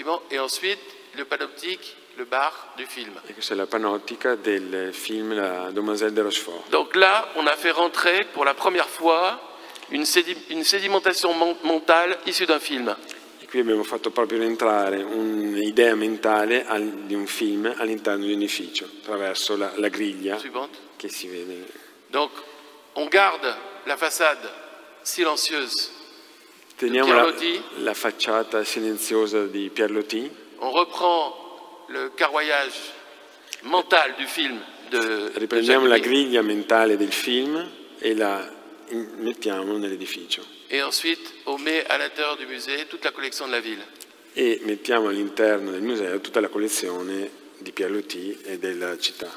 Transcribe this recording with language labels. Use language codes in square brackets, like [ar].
[fr] Et ensuite, le panoptique, le bar du film. C'est [it] la panoptica del film La Demoiselle de Rochefort. [fr] Donc là, on a fait rentrer pour la première fois une sédimentation mentale issue d'un film. [it] Et qui abbiamo fatto proprio entrare un'idea mentale di un film all'interno di un edificio, attraverso la griglia che si vede. [fr] Donc, on garde la façade silencieuse. [it] Teniamo la facciata silenziosa di Pierre Loti. [fr] On reprend le carroyage mental du film de [it] Riprendiamo la griglia mentale del film e la mettiamo nell'edificio. [fr] Et ensuite, on met à l'intérieur du musée toute la collection de la ville. [it] E mettiamo all'interno del museo tutta la collezione di Pierre Loti e della città.